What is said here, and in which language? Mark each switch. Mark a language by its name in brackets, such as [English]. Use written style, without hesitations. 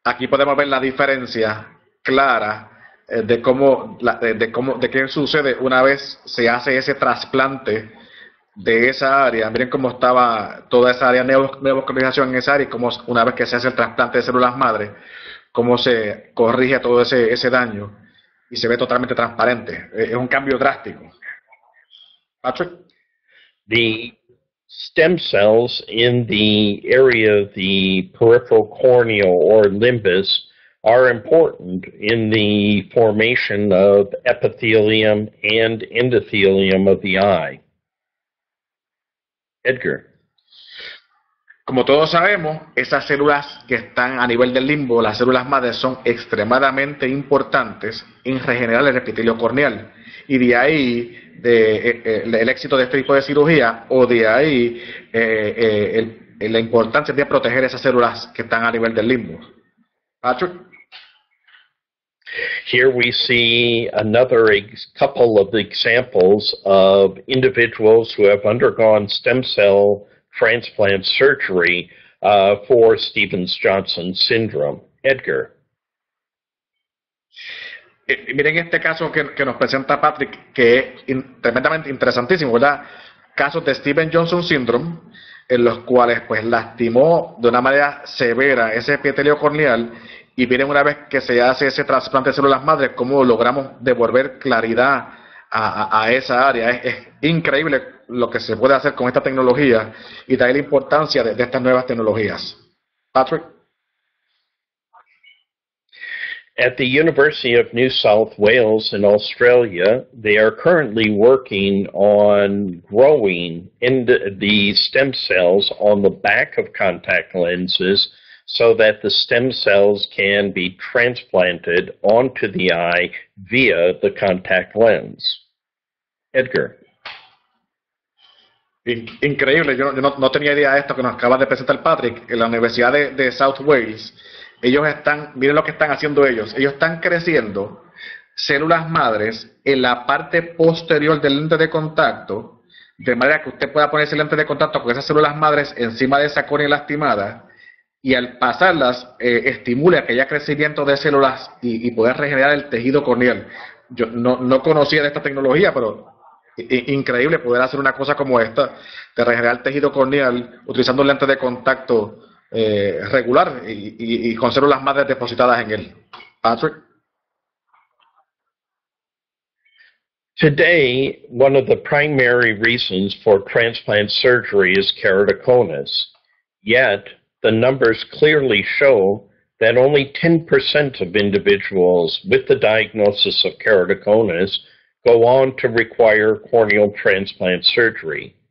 [Spanish] podemos ver la diferencia clara de qué sucede una vez se hace ese trasplante de esa área. Miren cómo estaba toda esa área, neovascularización en esa área, y cómo una vez que se hace el trasplante de células madre, cómo se corrige todo ese daño y se ve totalmente transparente. Es un cambio drástico. Patrick. [English] The stem cells in the area of the peripheral corneal or limbus are important in the formation of epithelium and endothelium of the eye. Edgar. [Spanish] Como todos sabemos, esas células que están a nivel del limbo, las células madre, son extremadamente importantes en regenerar el epitelio corneal. Y de ahí el éxito de este tipo de cirugía, o de ahí la importancia de proteger esas células que están a nivel del limbo. Patrick. [English] Here we see another couple of examples of individuals who have undergone stem cell transplant surgery for Stevens-Johnson syndrome. Edgar. [Spanish] Miren este caso que nos presenta Patrick, que es tremendamente interesantísimo, ¿verdad? Casos de Stevens-Johnson syndrome, en los cuales pues lastimó de una manera severa ese epitelio corneal. Y miren, una vez que se hace ese trasplante de células madre, cómo logramos devolver claridad a esa área. Es increíble lo que se puede hacer con esta tecnología y traer la importancia de estas nuevas tecnologías. Patrick. [English] At the University of New South Wales in Australia, they are currently working on growing the stem cells on the back of contact lenses, so that the stem cells can be transplanted onto the eye via the contact lens. Edgar. [Spanish] Increíble, yo no tenía idea de esto que nos acaba de presentar Patrick. En la Universidad de South Wales, ellos están, miren lo que están haciendo ellos. Ellos están creciendo células madres en la parte posterior del lente de contacto, de manera que usted pueda ponerse el lente de contacto con esas células madres encima de esa córnea lastimada, y al pasarlas, estimule aquella crecimiento de células y poder regenerar el tejido corneal. Yo no conocía de esta tecnología, pero increíble poder hacer una cosa como esta, de regenerar el tejido corneal utilizando lentes de contacto regular y con células madres depositadas en él. Patrick. [English] Today, one of the primary reasons for transplant surgery is keratoconus. Yet, the numbers clearly show that only 10% of individuals with the diagnosis of keratoconus go on to require corneal transplant surgery.